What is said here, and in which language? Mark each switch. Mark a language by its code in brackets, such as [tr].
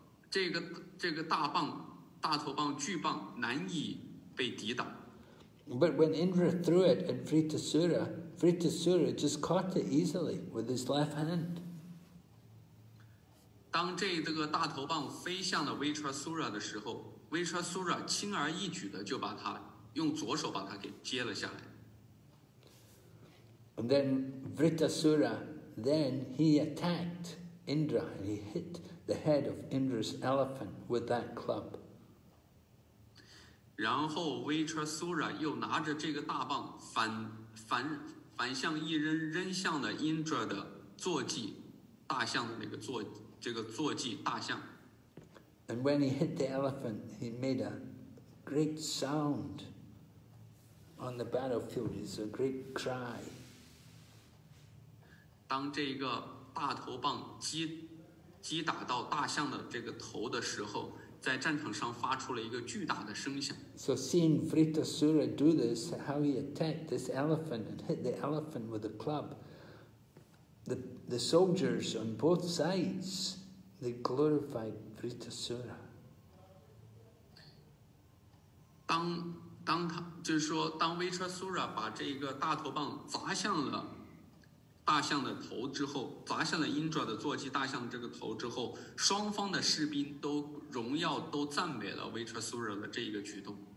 [zh] 这个大棒，大头棒，巨棒难以被抵挡。 [en] But when Indra threw it at Vritasura just caught it easily with his left hand. [zh] 当这个大头棒飞向了 Vritasura 的时候， Vritasura 轻而易举的就把它用左手把它给接了下来。 [en] And then Vritasura, then he attacked Indra and he hit the head of Indra's elephant with that club. [zh] 然后 Vritasura 又拿着这个大棒反向一扔向了 Indra 的坐骑，大象的那个坐，这个坐骑大象。 [en] And when he hit the elephant, he made a great sound on the battlefield. It's a great cry. [zh] 当这个大头棒击打到大象的这个头的时候，在战场上发出了一个巨大的声响。 [en] So seeing Vritasura do this, how he attacked this elephant and hit the elephant with a club, the soldiers on both sides, they glorified Vritasura. [zh] 当 Vritasura 把这个大头棒砸向了大象的头之后，砸向了 Indra 的坐骑大象这个头之后，双方的士兵都荣耀都赞美了 Vritasura 的这一个举动。